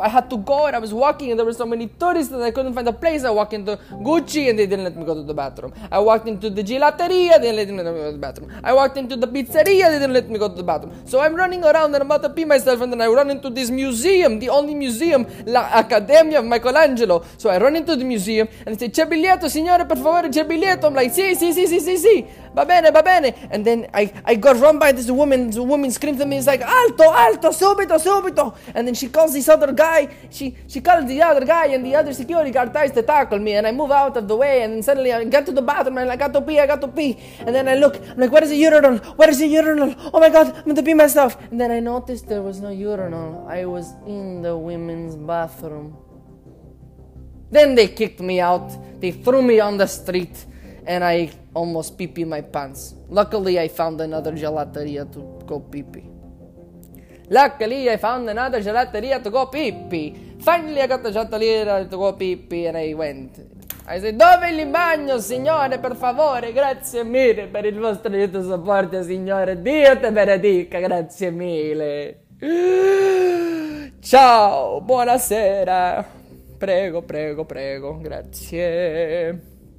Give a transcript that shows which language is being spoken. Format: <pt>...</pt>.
<en>I had to go and I was walking and there were so many tourists that I couldn't find a place. I walked into Gucci and they didn't let me go to the bathroom. I walked into the gelateria, they didn't let me go to the bathroom. I walked into the pizzeria, they didn't let me go to the bathroom. So I'm running around and I'm about to pee myself and then I run into this museum, the only museum, l'Accademia of Michelangelo. So I run into the museum and they say,</en> <it>c'è biglietto, signore, per favore, c'è biglietto.</it> <en>I'm like, sì.</en> <it>Va bene,</it> <en>and then I got run by this woman. The woman screams at me, it's like,</en> <it>alto, alto, subito, subito.</it> <en>And then she calls this other guy. She calls the other guy, and the other security guard tries to tackle me, and I move out of the way. And then suddenly I get to the bathroom, and I got to pee, I got to pee. And then I look, I'm like, where is the urinal? Where is the urinal? Oh my God, I'm gonna pee myself. And then I noticed there was no urinal. I was in the women's bathroom. Then they kicked me out, they threw me on the street, and I almost pee-pee my pants. Luckily, I found another gelateria to go pee-pee. Luckily, I found another gelateria to go pee-pee. Finally, I got the gelateria to go pee-pee and I went.</en> <it>I said, dove li bagno, signore, per favore? Grazie mille per il vostro aiuto e supporto, signore. Dio te benedica, grazie mille. Ciao, buonasera. Prego, prego, prego, grazie.</it>